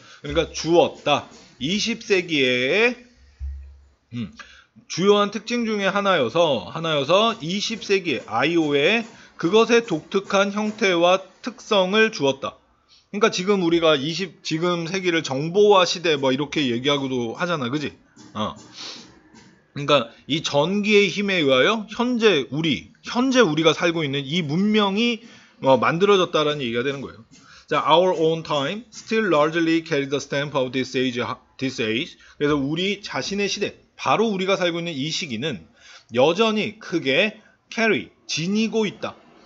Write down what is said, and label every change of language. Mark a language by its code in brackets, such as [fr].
[ko] 그러니까 주었다. 20세기에 주요한 특징 중에 하나여서 20세기 IO에 그것의 독특한 형태와 특성을 주었다. 그러니까 지금 우리가 지금 세기를 정보화 시대 뭐 이렇게 얘기하고도 하잖아, 그지? 그러니까 이 전기의 힘에 의하여 현재 우리가 살고 있는 이 문명이 뭐 만들어졌다라는 얘기가 되는 거예요. [en] 자, our own time still largely carries the stamp of this age. [ko] 그래서 우리 자신의 시대, 바로 우리가 살고 있는 이 시기는 여전히 크게 carry, 지니고 있다.